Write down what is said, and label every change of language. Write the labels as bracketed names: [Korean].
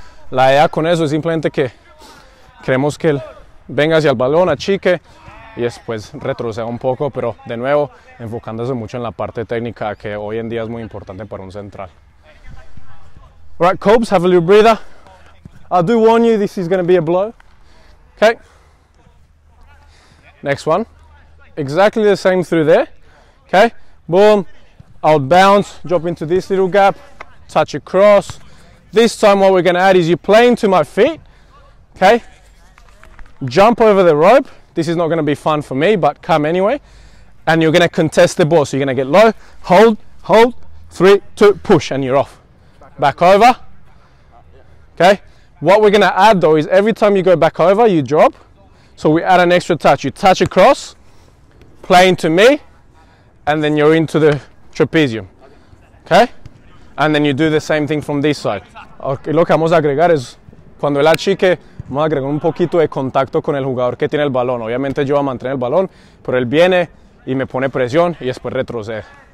[Spanish] La idea con eso es simplemente que queremos que él venga hacia el balón, achique y después retroceda un poco, pero de nuevo enfocándose mucho en la parte técnica que hoy en día es muy importante para un central. [English] All right, Cobes, have a little breather. I do warn you, this is going to be a blow. Okay. Next one. Exactly the same through there. Okay. Boom. I'll bounce, drop into this little gap, touch across. This time what we're going to add is you play into my feet, okay? Jump over the rope. This is not going to be fun for me, but come anyway. And you're going to contest the ball. So you're going to get low, hold, hold, three, two, push, and you're off. Back over, okay? What we're going to add though is every time you go back over, you drop. So we add an extra touch. You touch across, play into me, and then you're into the trapezium, okay? And then you do the same thing from this side. [Spanish] Okay, lo que vamos a agregar es cuando él achique, vamos a agregar un poquito de contacto con el jugador que tiene el balón. Obviamente yo voy a mantener el balón, pero él viene y me pone presión y después retrocede.